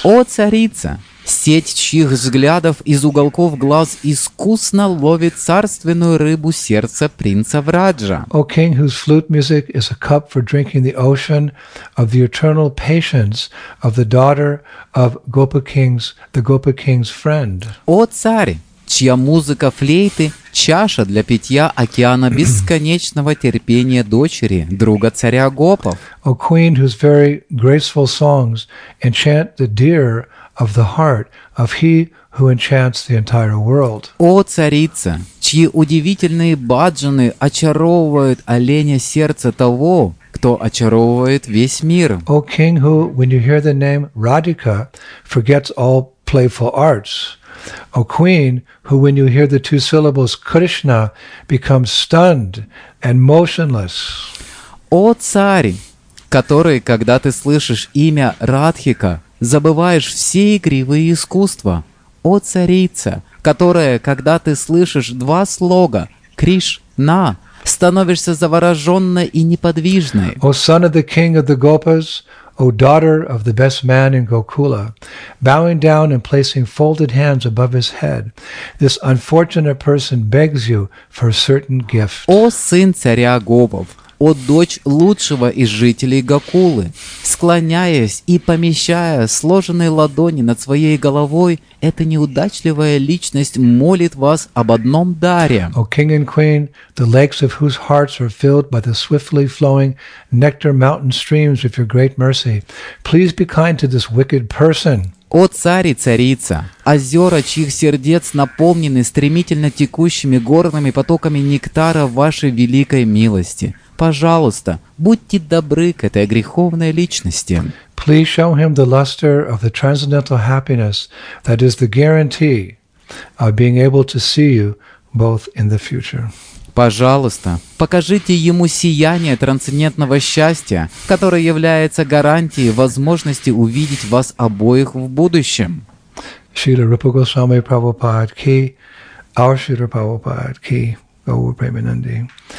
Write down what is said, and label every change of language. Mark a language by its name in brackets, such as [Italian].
[Russian] О царица, сеть чьих взглядов из уголков глаз искусно ловит царственную рыбу сердца принца Враджа. [English] O king, whose flute music is a cup for drinking the ocean of the eternal patience of the daughter of the Gopa king's friend. [Russian] О царь, чья музыка флейты – чаша для питья океана бесконечного терпения дочери, друга царя Гопов. [English] O queen, whose very graceful songs enchant the deer of the heart of he who enchants the entire world. [Russian] О царица, чьи удивительные баджаны очаровывают оленя сердце того, кто очаровывает весь мир. [English] О king who, when you hear the name Radhika, forgets all playful arts. O queen, who when you hear the two syllables Krishna, becomes stunned and motionless. [Russian] О царь, который, когда ты слышишь имя Радхика, забываешь все игривые искусства. О царица, которая, когда ты слышишь два слога Кришна, становишься завороженной и неподвижной. [English] О son of the king of the Gopas, O daughter of the best man in Gokula, bowing down and placing folded hands above his head, this unfortunate person begs you for a certain gift. [Russian] О сын царя Гопов, о дочь лучшего из жителей Гокулы, склоняясь и помещая сложенные ладони над своей головой, эта неудачливая личность молит вас об одном даре. [English] О king and queen, the lakes of whose hearts are filled by the swiftly flowing nectar mountain streams of your great mercy, please be kind to this wicked person. [Russian] О царь и царица, озера, чьих сердец наполнены стремительно текущими горными потоками нектара вашей великой милости, пожалуйста, будьте добры к этой греховной личности. [English] Please show him the luster of the transcendental happiness that is the guarantee of being able to see you both in the future. [Russian] Пожалуйста, покажите ему сияние трансцендентного счастья, которое является гарантией возможности увидеть вас обоих в будущем. Шрила Рупа Госвами Прабхупад Ки, Ар Шрила Прабхупад Ки, Гаур Премананди.